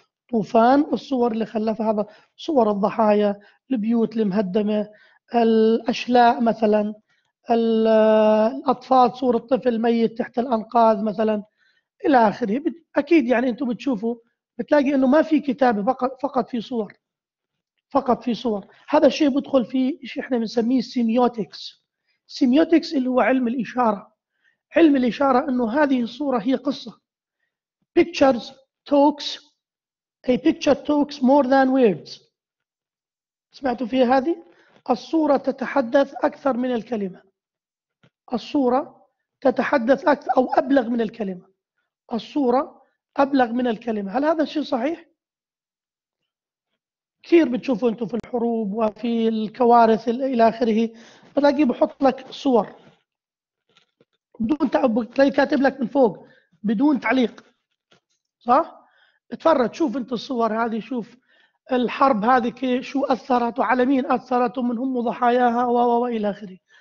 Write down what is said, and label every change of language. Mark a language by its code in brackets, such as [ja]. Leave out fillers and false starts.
[ar] طوفان، الصور اللي خلفها هذا، صور الضحايا، البيوت المهدمة، الأشلاء مثلا، الأطفال، صور الطفل ميت تحت الأنقاض مثلا إلى آخره. أكيد يعني أنتم بتشوفوا بتلاقي أنه ما في كتابة، فقط في صور، فقط في صور. هذا الشيء بدخل فيه شيء احنا بنسميه سيميوتكس. سيميوتكس اللي هو علم الإشارة. علم الإشارة أنه هذه الصورة هي قصة. [en] Pictures talks, a picture talks more than words. [ar] سمعتوا فيها هذه؟ الصورة تتحدث أكثر من الكلمة. الصورة تتحدث أكثر أو أبلغ من الكلمة. الصورة أبلغ من الكلمة. هل هذا الشيء صحيح؟ كثير بتشوفوا أنتم في الحروب وفي الكوارث إلى آخره، بلاقي بحط لك صور بدون تعبك، تلاقي كاتب لك من فوق بدون تعليق، صح؟ اتفرج شوف أنت الصور هذه، شوف الحرب هذه شو أثرت وعلى مين أثرت ومن هم ضحاياها وإلى آخره.